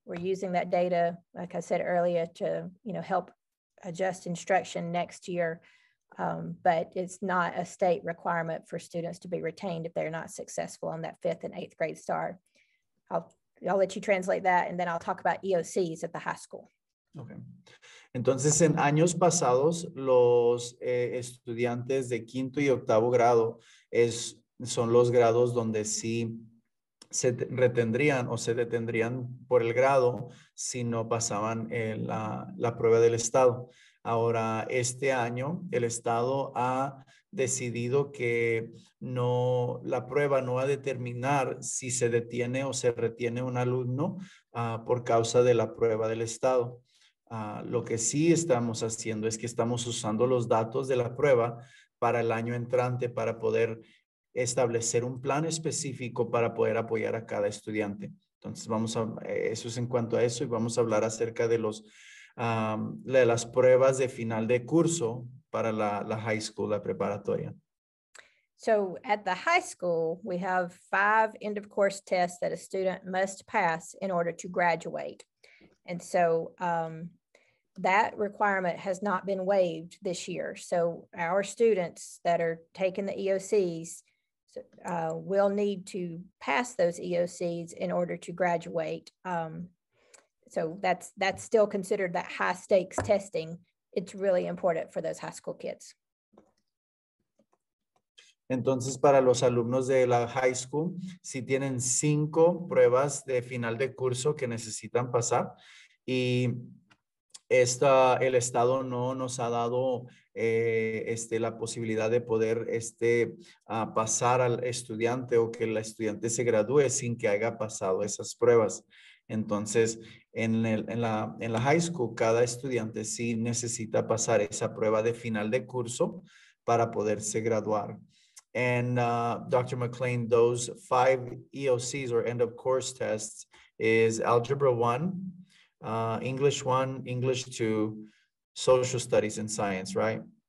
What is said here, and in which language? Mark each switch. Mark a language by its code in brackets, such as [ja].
[en] We're using that data, like I said earlier, to help adjust instruction next year. But it's not a state requirement for students to be retained if they're not successful on that fifth and eighth grade STAR. I'll let you translate that, and then I'll talk about EOCs at the high school. Okay. [es] Entonces, en años pasados, los estudiantes de quinto y octavo grado son los grados donde sí se retendrían o se detendrían por el grado si no pasaban la prueba del estado. Ahora, este año, el estado ha decidido que no, la prueba no va a determinar si se detiene o se retiene un alumno por causa de la prueba del estado. Lo que sí estamos haciendo es que estamos usando los datos de la prueba para el año entrante para poder establecer un plan específico para poder apoyar a cada estudiante. Entonces, eso es en cuanto a eso, y vamos a hablar acerca de los de las pruebas de final de curso para la high school, la preparatoria. [en] So at the high school, we have 5 end of course tests that a student must pass in order to graduate. And so that requirement has not been waived this year. So our students that are taking the EOCs will need to pass those EOCs in order to graduate. So that's still considered that high stakes testing. It's really important for those high school kids. [es] Entonces, para los alumnos de la high school, si tienen 5 pruebas de final de curso que necesitan pasar, y esta, el estado no nos ha dado la posibilidad de poder pasar al estudiante o que el estudiante se gradúe sin que haya pasado esas pruebas. Entonces, en la high school, cada estudiante sí necesita pasar esa prueba de final de curso para poderse graduar. [en] And Dr. McLean, those 5 EOCs or end of course tests is Algebra 1, English 1, English 2, Social Studies and Science, right?